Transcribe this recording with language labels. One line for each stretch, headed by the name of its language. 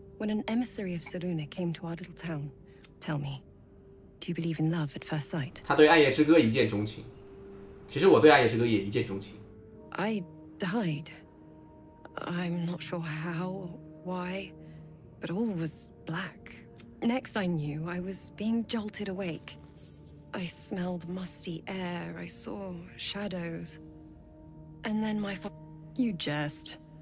English: When an emissary of Saluna came to our little town, tell me. Do you believe in love at first sight?
Chinese: 他对暗夜之歌一见钟情。其实我对暗夜之歌也一见钟情。
English: I died. I'm not sure how, why, but all was black. Next I knew, I was being jolted awake. I smelled musty air, I saw shadows. And then my father... You jest.